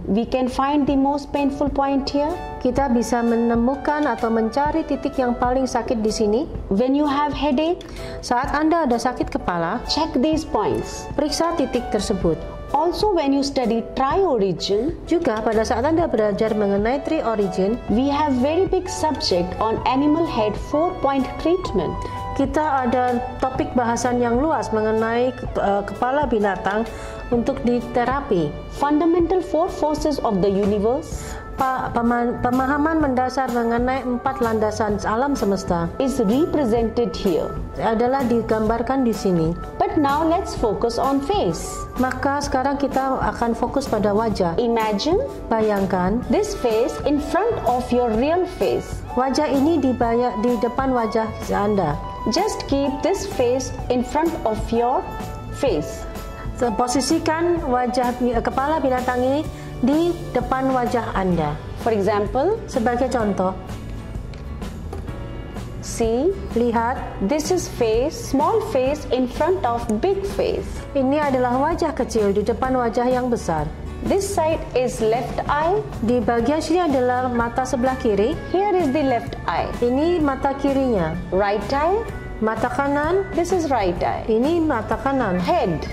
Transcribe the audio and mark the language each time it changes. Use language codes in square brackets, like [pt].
[en] We can find the most painful point here. [id] Kita bisa menemukan atau mencari titik yang paling sakit di sini. [en] When you have headache, [id] saat Anda ada sakit kepala, [en] check these points. [id] Periksa titik tersebut. [en] Also when you study tri origin, [id] juga pada saat Anda belajar mengenai tri origin, [en] we have very big subject on animal head 4-point treatment. [id] Kita ada topik bahasan yang luas mengenai kepala binatang untuk diterapi. [en] Fundamental four forces of the universe. [id] Pemahaman mendasar mengenai empat landasan alam semesta [en] is represented here. [id] Adalah digambarkan di sini. [en] But now let's focus on face. [id] Maka sekarang kita akan fokus pada wajah. [en] Imagine. [id] Bayangkan. [en] This face in front of your real face. [id] Wajah ini di depan wajah Anda. [en] Just keep this face in front of your face. [id] So, posisikan wajah kepala binatang ini di depan wajah Anda. [en] For example, [id] sebagai contoh. [en] See, [id] lihat, [en] this is face, small face in front of big face. [id] Ini adalah wajah kecil di depan wajah yang besar. [en] This side is left eye. [id] Di bagian sini adalah mata sebelah kiri. [en] Here is the left eye. [id] Ini mata kirinya. [en] Right eye. [id] Mata kanan. [en] This is right eye. [id] Ini mata kanan. [en] Head.